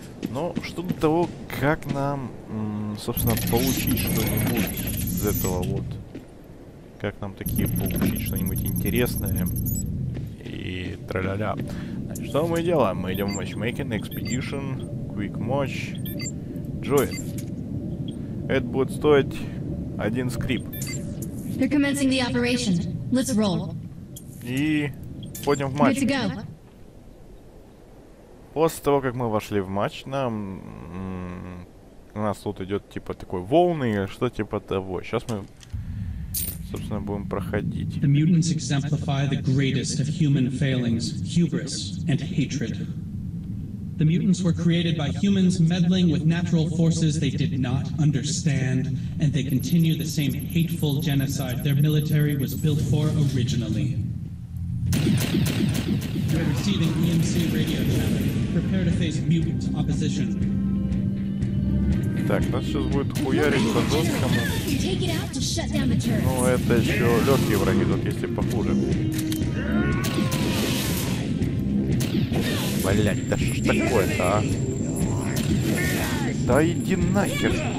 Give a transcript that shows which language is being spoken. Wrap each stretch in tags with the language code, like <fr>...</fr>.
<ru>Но что до того, как нам, собственно, получить что-нибудь из этого вот. Как нам такие получить что-нибудь интересное. И тра-ля-ля. Что мы делаем? Мы идем в матчмейкинг, экспедишн, quick match, join. Это будет стоить один скрип.</ru> <en>They're commencing the operation. Let's roll.</en> <ru>И входим в матч.</ru> <en>Good to go.</en> <ru>После того, как мы вошли в матч, нам... у нас тут идет типа такой волны или что типа того. Сейчас мы, собственно, будем проходить.</ru> <en>The mutants exemplify the greatest of human failings, hubris and hatred. The mutants were created by humans meddling with natural forces they did not understand, and they continue the same hateful genocide their military was built for originally. You're receiving EMC radio channel. Prepare to face mutant opposition.</en> <ru>Так, нас сейчас будет хуярить по-жесткому. Ну, это еще легкие враги тут, если похуже. Блять, да что ж такое-то, а? Да иди нахер!</ru>